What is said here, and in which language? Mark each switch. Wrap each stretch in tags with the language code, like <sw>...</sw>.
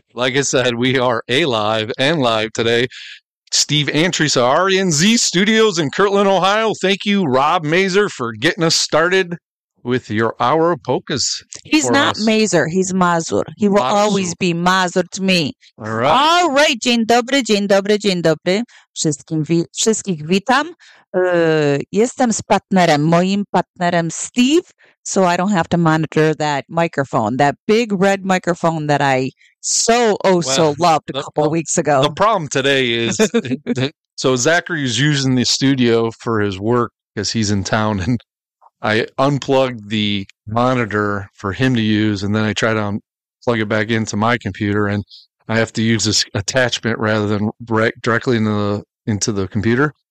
<en>Like I said, we are alive and live today. Steve Antrese of RNZ Studios in Kirtland, Ohio. Thank you, Rob Mazur, for getting us started with your hour of polkas. He's not Mazur. He's Mazur. He will always be Mazur to me. All right.</en> <pl>Dzień dobry, dzień dobry, dzień dobry. Wszystkich witam. Jestem z partnerem, moim partnerem</pl> <en>Steve, so I don't have to monitor that microphone, that big red microphone that I so, so loved a couple of weeks ago. The problem today is, so Zachary is using the studio for his work because he's in town, and I unplugged the monitor for him to use, and then I try to plug it back into my computer, and I have to use this attachment rather than directly into the computer.</en>